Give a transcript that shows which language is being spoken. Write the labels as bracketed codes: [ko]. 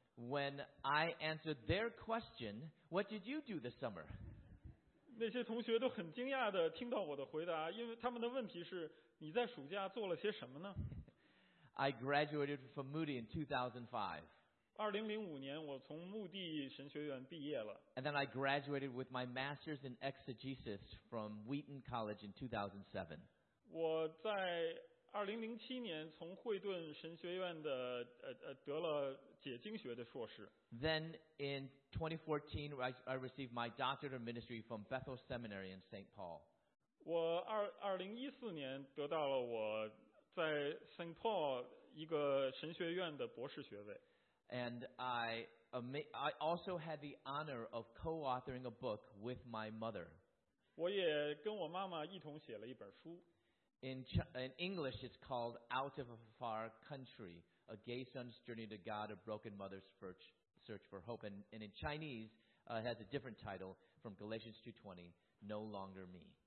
[en] When I answered their question, what did you do this summer? [zh] 那些同学都很惊讶地听到我的回答，因为他们的问题是，你在暑假做了些什么呢？ [en] I graduated from Moody in 2005. [zh] 2005年我从穆蒂神学院毕业了。 [en] And then I graduated with my master's in exegesis from Wheaton College in 2007. [zh] 我在2007年从惠顿神学院的得了解经学的硕士。 [en] Then in 2014, I received my doctorate of ministry from Bethel Seminary in St. Paul. [zh] 我2014年得到了我在 St. Paul 一个神学院的博士学位。 [en] And I also had the honor of co-authoring a book with my mother. [zh] 我也跟我妈妈一同写了一本书。 [en] In English it's called Out of a Far Country, A Gay Son's Journey to God, A Broken Mother's Search for Hope. And in Chinese it has a different title from Galatians 2:20, No Longer Me.